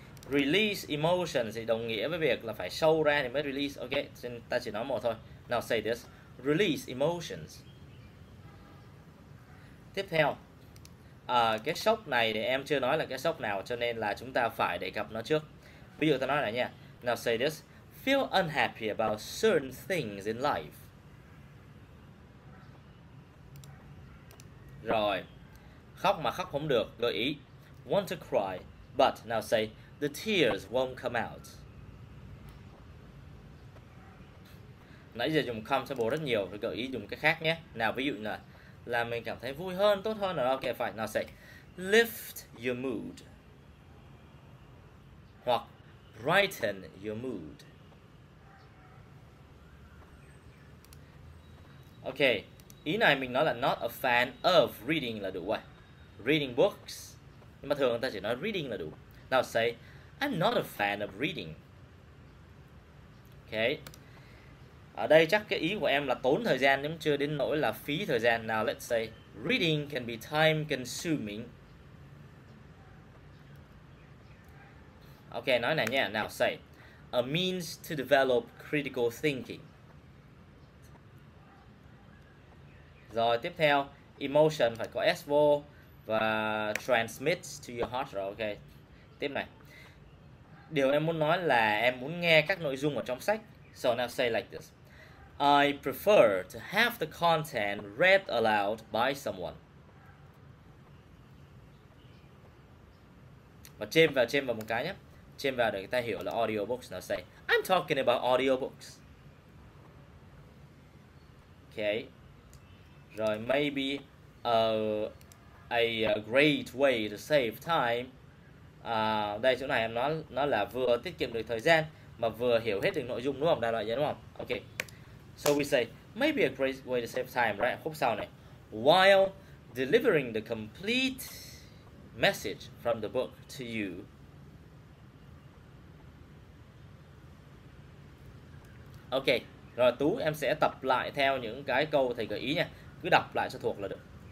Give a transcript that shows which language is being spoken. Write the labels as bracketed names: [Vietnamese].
[English] Release emotions [Vietnamese] thì đồng nghĩa với việc là phải show ra thì mới release. Okay, xin ta chỉ nói một thôi. [English] Now say this, release emotions. [Vietnamese] Tiếp theo, cái sốc này thì em chưa nói là cái sốc nào, cho nên là chúng ta phải đề cập nó trước. Ví dụ ta nói này nha. [English] Now say this, feel unhappy about certain things in life. [Vietnamese] Rồi, khóc mà khóc không được, gợi ý. [English] Want to cry, but now say the tears won't come out. [Vietnamese] Nãy giờ dùng comfortable rất nhiều, gợi ý dùng cái khác nhé. Nào ví dụ là mình cảm thấy vui hơn, tốt hơn rồi. [English] Ok, phải. Now say, lift your mood. Hoặc, brighten your mood. [Vietnamese] Ok, ý này mình nói là [English] not a fan of reading [Vietnamese] là đủ rồi. [English] Reading books. [Vietnamese] Nhưng mà thường người ta chỉ nói reading là đủ. [English] Now say, I'm not a fan of reading. Ok. [Vietnamese] Ở đây chắc cái ý của em là tốn thời gian, nhưng chưa đến nỗi là phí thời gian. [English] Now let's say, reading can be time consuming. Ok, [Vietnamese] nói này nha. [English] Now say, a means to develop critical thinking. [Vietnamese] Rồi, tiếp theo, emotion phải có S vô và [English] transmits to your heart [Vietnamese] rồi. Ok, tiếp này. Điều em muốn nói là em muốn nghe các nội dung ở trong sách. [English] So now say like this. I prefer to have the content read aloud by someone. [Vietnamese] Và chêm vào một cái nhé. Chêm vào để người ta hiểu là audiobooks. [English] Now say, I'm talking about audiobooks. Ok. Rồi, maybe a great way to save time. [Vietnamese] Đây, chỗ này em nói nó là vừa tiết kiệm được thời gian mà vừa hiểu hết được nội dung, đúng không? Đại loại vậy, đúng không? [English] Ok. So we say, maybe a great way to save time, right? [Vietnamese] Khúc sau này. [English] While delivering the complete message from the book to you. [Vietnamese] Ok, rồi Tú em sẽ tập lại theo những cái câu thầy gợi ý nha. Cứ đọc lại cho thuộc là được.